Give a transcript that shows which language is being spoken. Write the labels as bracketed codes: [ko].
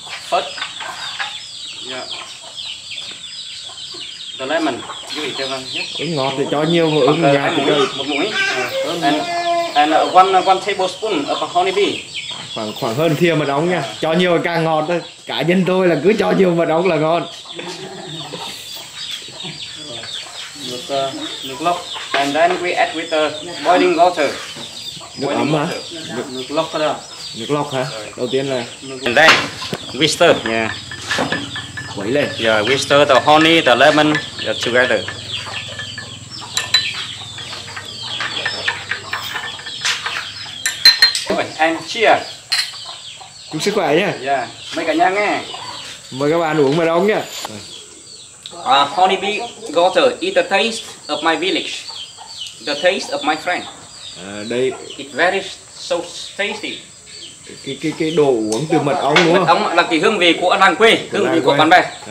[en] First, yeah. The lemon, you eat it. [vi] Uống ngọt thì cho nhiều mà uống nhạt thì đợi. Một muỗng. [en] And one tablespoon of honey bee. [vi] Khoảng hơn thìa mật ong nha, cho nhiều càng ngọt thôi. Cá nhân tôi là cứ cho nhiều mật ong là ngon. Nước lọc [en] and then we add with the boiling water. [vi] Nước lọc hả? Đầu tiên là [en] and then we stir. [vi] Khuấy lên. [en] Yeah, we stir the honey, the lemon together. And cheers. [vi] Chúc sức khỏe nhé. Yeah, mời cả nhà nghe. Mời các bạn uống mật ong nhé. [en] Honey bee water is the taste of my village, the taste of my friend. [vi] Đây. [en] It very so tasty. [vi] Cái đồ uống từ mật ong đúng không? Mật ong là cái hương vị của làng quê, hương vị của bạn bè.